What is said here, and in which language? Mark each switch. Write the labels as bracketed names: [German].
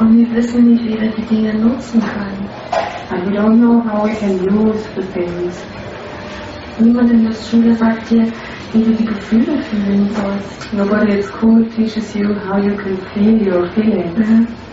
[German] Und wir wissen nicht, wie wir die Dinge nutzen können. [English] And we don't know how we can use the things. [German] Niemand in der Schule sagt dir, wie du die Gefühle fühlen sollst. [English] Nobody at school teaches you how you can feel your feelings.